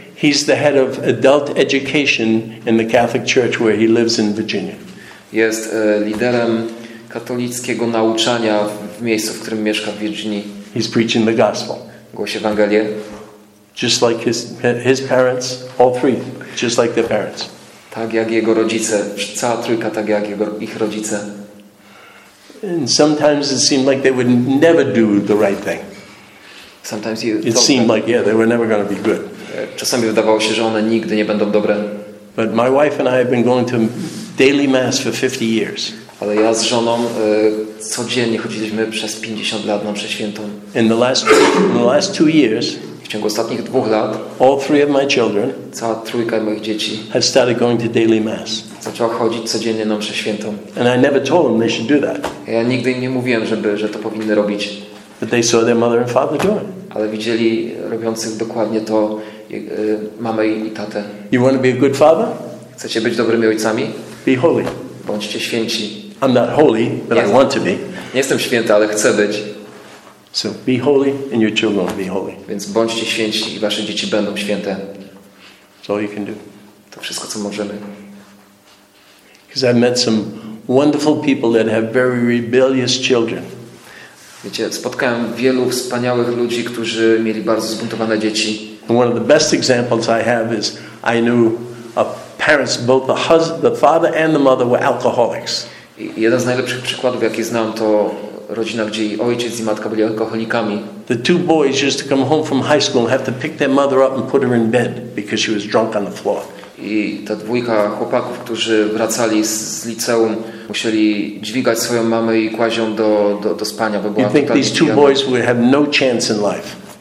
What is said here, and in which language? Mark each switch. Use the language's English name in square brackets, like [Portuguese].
[English] He's the head of adult education in the Catholic Church where he lives in Virginia. [Polish] Jest liderem katolickiego nauczania w miejscu, w którym mieszka, w Virginii. [English] He's preaching the gospel. [Polish] Głosi Ewangelię. [English] Just like his parents, all three, just like their parents. [Polish] Tak jak jego rodzice, cała trójka tak jak jego ich rodzice. [English] And sometimes it seemed like they would never do the right thing. Sometimes you. It seemed like yeah, they were never going to be good. [Polish] Czasami wydawało się, że one nigdy nie będą dobre. [English] But my wife and I have been going to daily mass for 50 years. [Polish] Ale ja z żoną codziennie chodziliśmy przez 50 lat na mszę świętą. [English] In the last 2 years. [Polish] W ciągu ostatnich 2 lat [English] all three of my children, [Polish] cała trójka moich dzieci, [English] have started going to daily mass. [Polish] Zaczęła chodzić codziennie na mszę świętą. [English] And I never told them they should do that. [Polish] Ja nigdy im nie mówiłem, że to powinny robić. [English] But they saw their mother and father doing. [Polish] Ale widzieli robiących dokładnie to mamę i tatę. [English] You want to be a good father? [Polish] Chcecie być dobrymi ojcami? [English] Be holy. [Polish] Bądźcie święci. [English] I'm not holy, but I want to be. [Polish] Nie jestem święty, ale chcę być. [English] So be holy and your children will be holy. [Polish] Więc bądźcie święci i wasze dzieci będą święte. [English] That's all you can do. [Polish] To wszystko, co możemy. [English] Because I've met some wonderful people that have very rebellious children. [Polish] Wiecie, spotkałem wielu wspaniałych ludzi, którzy mieli bardzo zbuntowane dzieci. [English] And one of the best examples I have is I knew a parents, both the father and the mother were alcoholics. [Polish] I jeden z najlepszych przykładów, jaki znam, to rodzina, gdzie i ojciec i matka byli alkoholikami. [English] The two boys used to come home from high school and have to pick their mother up and put her in bed because she was drunk on the floor. [Polish] I ta dwójka chłopaków, którzy wracali z liceum, musieli dźwigać swoją mamę i kłaść ją do spania, bo była. [English] You think these two boys would have no chance in life?